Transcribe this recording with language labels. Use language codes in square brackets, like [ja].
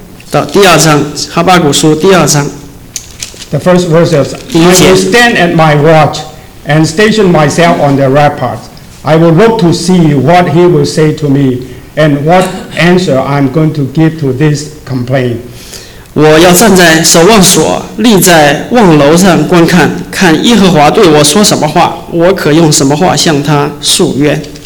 [zh] 到第二章，哈巴谷书第二章。 [en] The first verse is, I will stand at my watch and station myself on the rampart. I will look to see what he will say to me and what answer I'm going to give to this complaint. [zh] 我要站在守望所，立在望楼上观看，看耶和华对我说什么话，我可用什么话向他诉冤。